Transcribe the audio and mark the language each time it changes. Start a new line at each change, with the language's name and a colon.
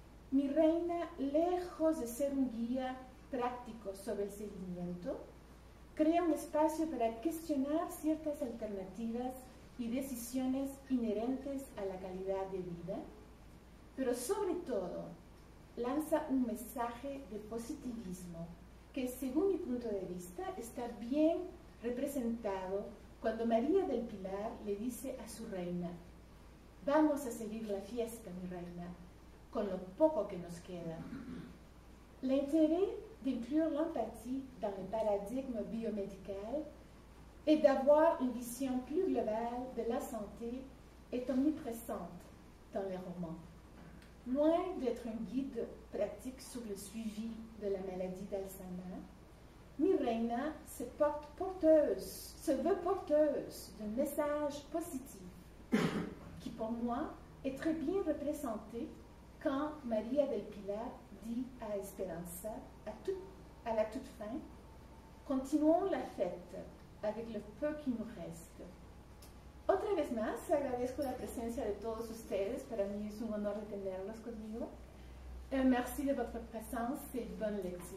Spanish: Mi Reina, lejos de ser un guía práctico sobre el seguimiento, crea un espacio para cuestionar ciertas alternativas y decisiones inherentes a la calidad de vida, pero sobre todo lanza un mensaje de positivismo que, según mi punto de vista, está bien representado cuando María del Pilar le dice a su reina, Vamos a seguir la fiesta, mi reina, con lo poco que nos queda.
French: L'intérêt d'inclure l'empathie dans le paradigme biomédical et d'avoir une vision plus globale de la santé est omniprésente dans les romans. Loin d'être un guide pratique sur le suivi de la maladie d'Alzheimer, Mireina se veut porteuse d'un message positif qui, pour moi, est très bien représenté quand Maria del Pilar dit à Esperanza, à la toute fin, « Continuons la fête avec le peu qui nous reste. »
Spanish: Otra vez más, agradezco la presencia de todos ustedes. Para mí es un honor tenerlos conmigo.
French: Merci de votre présence et bonne lecture.